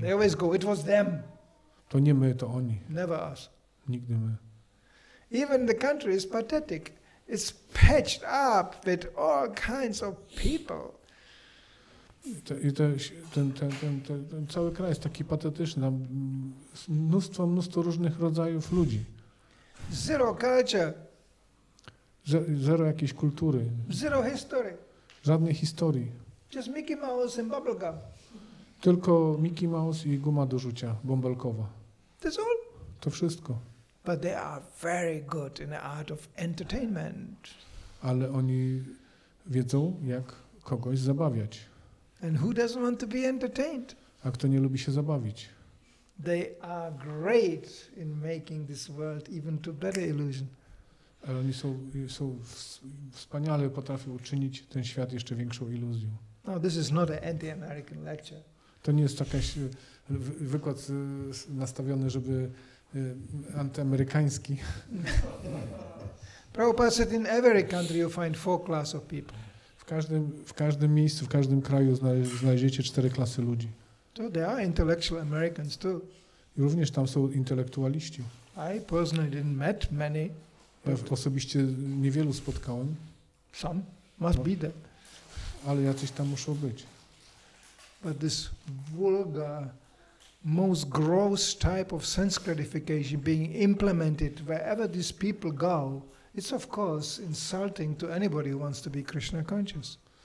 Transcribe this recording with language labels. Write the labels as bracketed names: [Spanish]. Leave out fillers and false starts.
[English] They always go, it was them. [Polish] To nie my, to oni. [English] Never us. [Polish] Nigdy my. [English] Even the country is pathetic. It's patched up with all kinds of people. [Polish] Ten cały kraj jest taki patetyczny, tam mnóstwo różnych rodzajów ludzi. [English] Zero culture. [Polish] Zero jakiejś kultury. [English] Zero history. [Polish] Żadnej historii. [English] Just Mickey Mouse and bubblegum. [Polish] Tylko Mickey Mouse i guma do rzucia, bąbelkowa. [English] That's all. [Polish] To wszystko. [English] But they are very good in the art of entertainment. [Polish] Ale oni wiedzą, jak kogoś zabawiać. [English] And who doesn't want to be entertained? [Polish] A kto nie lubi się zabawić? [English] They are great in making this world even to better illusion. [Polish] Ale oni są wspaniale potrafią uczynić ten świat jeszcze większą iluzją. [English] No, this is not an anti-American lecture. [Polish] To nie jest jakiś wykład nastawiony, żeby antyamerykański. [English] Prabhupada said, in every country you find four class of people. [Polish] W każdym miejscu, w każdym kraju znajdziecie cztery klasy ludzi. [English] So there are intellectual Americans too. [Polish] I również tam są intelektualiści. [English] I personally didn't met many. [Polish] Ja osobiście niewielu spotkałem. [English] Some must be there. [Polish] Ale jacyś tam muszą być. [English] But this vulgar, most gross type of sense gratification being implemented wherever these people go, it's of course insulting to anybody who wants to be Krishna conscious.